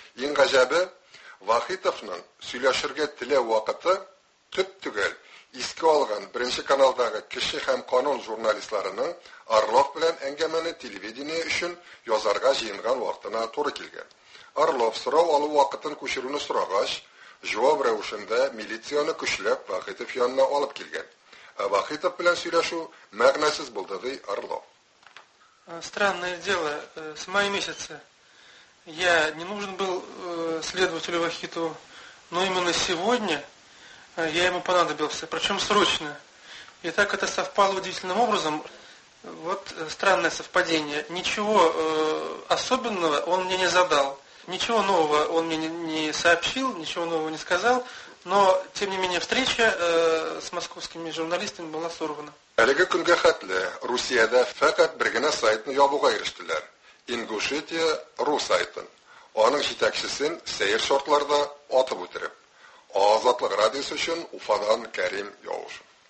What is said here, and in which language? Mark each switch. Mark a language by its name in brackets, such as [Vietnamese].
[Tatar] Иң гаҗәбе Вахитовның сөйләшергә теле вакыты төп-төгәл иске алган беренче каналдагы кеше һәм канун журналистларының Орлов белән әңгәмәне телевидение өчен язарга җыенган вакытына туры килгән. Орлов сорау алу вакытын күчерүне сорагач, җавап рәвешендә милицияны көчләп Вахитов янына алып килгән. Вахитов белән сөйләшү мәгънәсез булды, ди Орлов. [Russian] Странное дело, с мая месяца я не нужен был следователю Вахитову, но именно сегодня я ему понадобился, причем срочно. И так это совпало удивительным образом. Вот странное совпадение. Ничего особенного он мне не задал. Ничего нового он мне не сообщил, ничего нового не сказал. Но, тем не менее, встреча с московскими журналистами была сорвана. [Tatar] Әлеге көнгә хәтле Русиядә фәкат бер генә сайтны ябуга ирештеләр. Ингушетия.ру сайтын. Аның җитәкчесен сәер шартларда атып үтереп. Азатлык радиосы өчен Уфадан Кәрим Яуш.